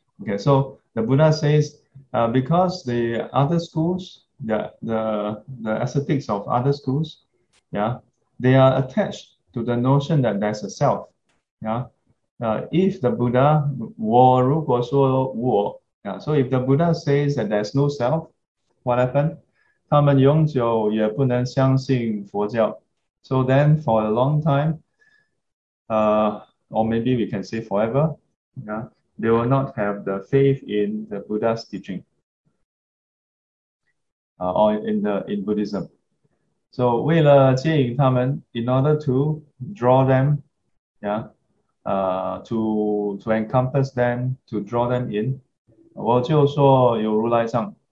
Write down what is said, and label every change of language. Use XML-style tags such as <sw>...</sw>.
<en>Okay, so the Buddha says, because the other schools, the ascetics of other schools, yeah, they are attached to the notion that there's a self. Yeah, if the Buddha,</en> <zh>我如果说我,</zh> <en>yeah, so if the Buddha says that there's no self, what happened?</en> <zh>他们永久也不能相信佛教.</zh> <en>So then for a long time, or maybe we can say forever, yeah, they will not have the faith in the Buddha's teaching. Or in Buddhism. So,</en> <zh>为了接引他们,</zh> <en>in order to draw them, yeah, to encompass them, to draw them in,</en> <zh>我就说有如来藏.</zh>